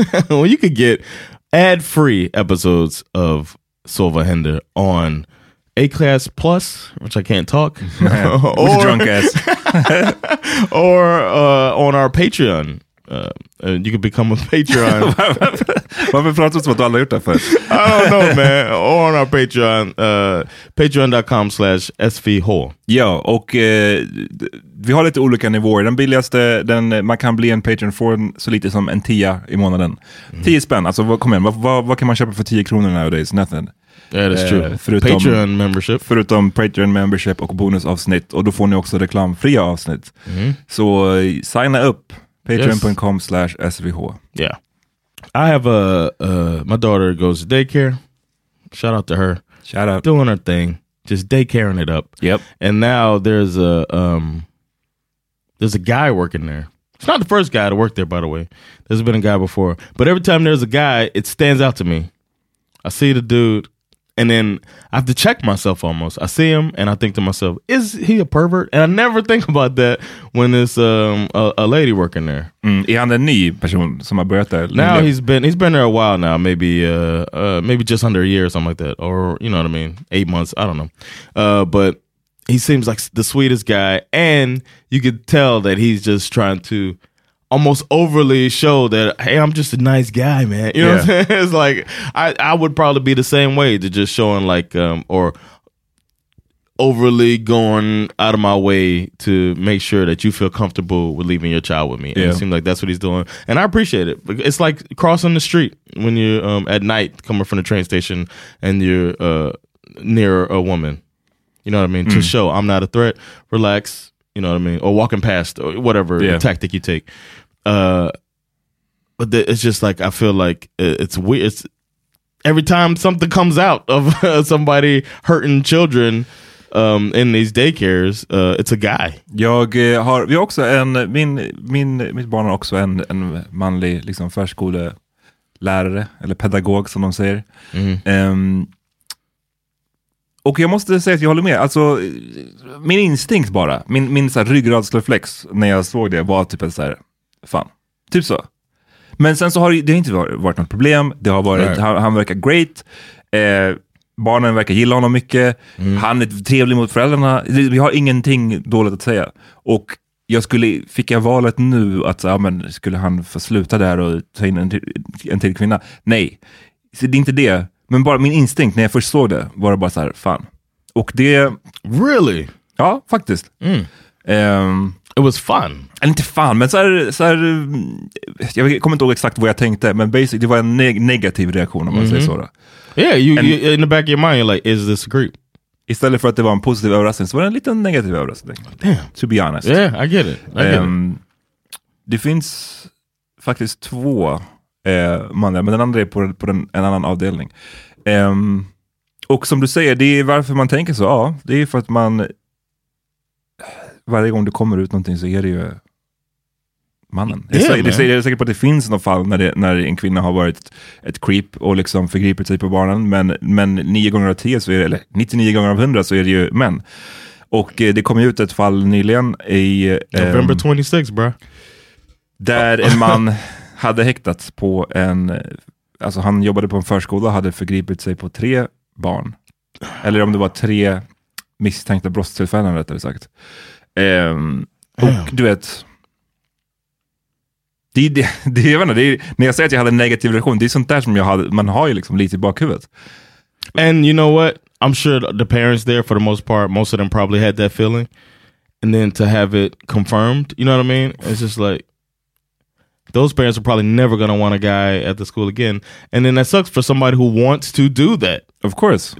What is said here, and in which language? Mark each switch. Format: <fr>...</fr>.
<en>Well, you could get ad-free episodes of Sova Hender on A-Class Plus, which I can't talk. Yeah. Or, drunk ass. Or on our Patreon. You can become a Patreon.</en> <sv>Varför pratar du som att du aldrig gjort det för?</sv> <en>I don't know, man. Or on our Patreon. Patreon.com/SVH.</en> <sv>Ja, och vi har lite olika nivåer. Den billigaste, den, man kan bli en Patreon för så lite som en tia i månaden. Mm. 10 spänn, alltså kom igen. Vad kan man köpa för 10 kronor nowadays?</sv> <en>Nothing. Yeah, that's true. Förutom, Patreon membership.</en> <sv>Förutom Patreon membership och bonusavsnitt. Och då får ni också reklamfria avsnitt. Mm. Så signa upp. Patreon.com/SVH.</sv> <en>Yeah. I have a... my daughter goes to daycare. Shout out to her. Shout out. Doing her thing. Just daycaring it up. Yep. And now there's a... there's a guy working there. It's not the first guy to work there, by the way. There's been a guy before. But every time there's a guy, it stands out to me. I see the dude... And then I have to check myself almost. I see him and I think to myself, is he a pervert? And I never think about that when it's a lady working there.</en> <sv>Mm, är han en ny person som har börjat där?</sv> <en>Now he's been there a while now, maybe just under a year or something like that. Or, you know what I mean, 8 months, I don't know. But he seems like the sweetest guy. And you could tell that he's just trying to almost overly show that, hey, I'm just a nice guy, man. You know what I'm saying? It's like, I would probably be the same way, to just showing like, or overly going out of my way to make sure that you feel comfortable with leaving your child with me. And it seemed like that's what he's doing. And I appreciate it. It's like crossing the street when you're at night coming from the train station and you're near a woman. You know what I mean? Mm. To show I'm not a threat. Relax. You know what I mean? Or walking past, or whatever the tactic you take. But it's just like, I feel like it's weird. It's, every time something comes out of somebody hurting children in these daycares, it's a guy.</en> <sv>Jag har också en, mitt barn har också en manlig liksom förskole lärare eller pedagog, som de säger. Mm. Och jag måste säga att jag håller med. Alltså, min instinkt bara, min så här ryggradsreflex när jag såg det var typ så här, fan, typ så. Men sen så har det inte varit något problem. Det har varit, han verkar great. Barnen verkar gilla honom mycket. Mm. Han är trevlig mot föräldrarna. Vi har ingenting dåligt att säga. Och jag skulle, fick jag valet nu att ja, men skulle han få sluta där och ta in en till kvinna? Nej, så det är inte det. Men bara min instinkt när jag först såg det var bara så här, fan. Och det...</sv> <en>Really?</en> <sv>Ja, faktiskt.</sv> <en>Mm. It was fun.</en> <sv>Eller inte fun, men så här... Jag kommer inte ihåg exakt vad jag tänkte, men basically det var en negativ reaktion om man säger så. Då.</sv> <en>Yeah, you in the back of your mind, you're like, is this great?</en> <sv>Istället för att det var en positiv överraskning, så var det en liten negativ överraskning.</sv> <en>Damn. To be honest. Yeah, I get it.</en> <sv>Det finns faktiskt två... manliga, men den andra är på en annan avdelning. Och som du säger, det är varför man tänker så. Ja, det är för att man varje gång det kommer ut någonting så är det ju mannen. Jag är säker på att det finns något fall när en kvinna har varit ett creep och liksom förgriper sig på barnen, men 9 gånger av 10 så är det, eller 99 gånger av 100 så är det ju män. Och det kom ju ut ett fall nyligen i</sv> <en>November 26, bro.</en> <sv>Där en man hade häktats på en... Alltså han jobbade på en förskola, hade förgripit sig på 3 barn. Eller om det var 3 misstänkta brottstillfällen, rättare sagt. Och du vet... Det är, när jag säger att jag hade en negativ reaktion, det är sånt där som jag hade... Man har ju liksom lite i bakhuvudet.</sv> <en>And you know what? I'm sure the parents there, for the most part, most of them probably had that feeling. And then to have it confirmed, you know what I mean? It's just like... Those parents are probably never going to want a guy at the school again. And then that sucks for somebody who wants to do that. Of course.</en>